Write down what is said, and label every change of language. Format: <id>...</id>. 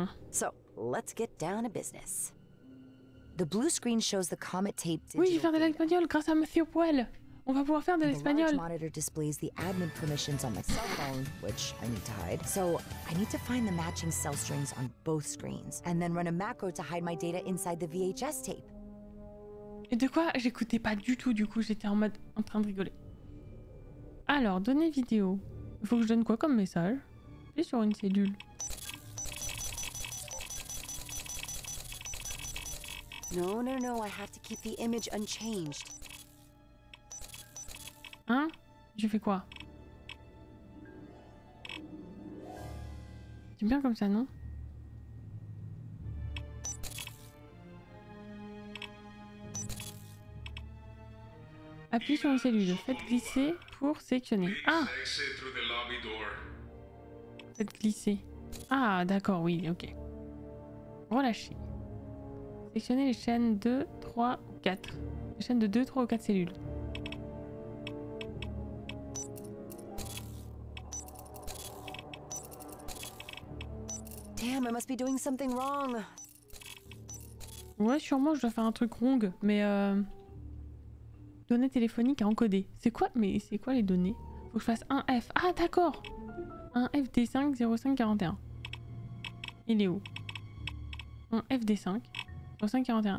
<en>So, let's get down to business. The blue screen shows the comet taped.</en> <fr>Oui, je vais faire de l'espagnol grâce à Monsieur Poel. On va pouvoir faire de l'espagnol.</fr> <en>The monitor displays the admin permissions on my cell phone, which I need to hide. So I need to find the matching cell strings on both screens, and then run a macro to hide my data inside the VHS tape.</en> <fr>Et de quoi? J'écoutais pas du tout. Du coup, j'étais en mode en train de rigoler. Alors, données vidéo. Il faut que je donne quoi comme message? Je suis sur une cellule.</fr> <en>No, no, no, I have to keep the image unchanged.</en> <fr>Hein? Je fais quoi? C'est bien comme ça, non? Appuie sur une cellule. Faites glisser pour sélectionner. Ah! Faites glisser. Ah, d'accord, oui, ok. Relâchez. Sélectionnez les chaînes 2, 3 ou 4. Les chaînes de 2, 3 ou 4 cellules.</fr> <en>Damn, I must be doing something wrong.</en> <fr>Ouais, sûrement je dois faire un truc wrong, mais données téléphoniques à encoder. C'est quoi? Mais c'est quoi les données? Faut que je fasse 1F. Ah d'accord. 1FD50541. Il est où? 1FD5. 541.</fr>